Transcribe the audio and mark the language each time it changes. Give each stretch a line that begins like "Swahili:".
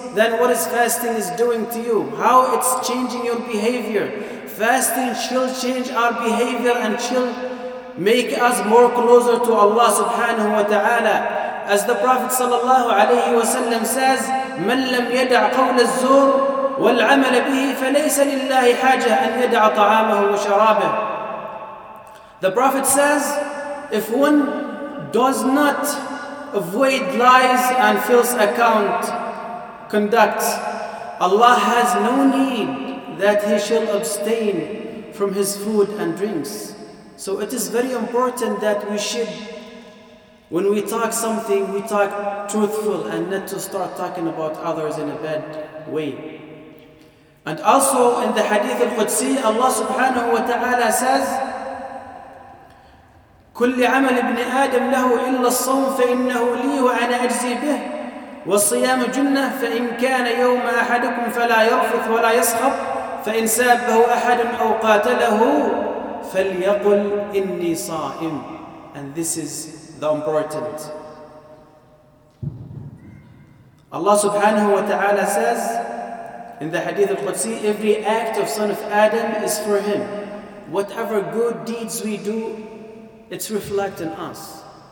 English: Then what is fasting is doing to you? How it's changing your behavior? Fasting shall change our behavior and shall make us more closer to Allah subhanahu wa ta'ala. As the Prophet
Arabic: sallallahu alayhi wa sallam
English: says,
Arabic: مَنْ لَمْ يَدَعْ قَوْلَ الزُّورِ والعمل به فليس لله حاجة أن يدع طعامه وشرابه.
English: The Prophet says, if one does not avoid lies and false account conducts, Allah has no need that he shall abstain from his food and drinks. So it is very important that we should, when we talk something, we talk truthful and not to start talking about others in a bad way. And also in the Hadith al-Qudsi,
Arabic: Allah subhanahu wa ta'ala
English: says,
Arabic: كُلِّ عَمَلِ ابْنِ آدَمْ لَهُ إِلَّا الصَّوْمْ فَإِنَّهُ لِي وَأَنَا أَجْزِي بِهِ وَالصِّيَامُ جُنَّةٌ فَإِنْ كَانَ يَوْمَ أَحَدُكُمْ فَلَا يَرْفُثْ وَلَا يَسْخَبْ فَإِنْ سَابَهُ أَحَدٌ أَوْ قَاتَلَهُ فَلْيَقُلْ إِنِّي صَائِمْ.
English: And this is the important. Allah subhanahu wa ta'ala says in the Hadith al-Qudsi, every act of son of Adam is for him. Whatever good deeds we do, it's reflecting us.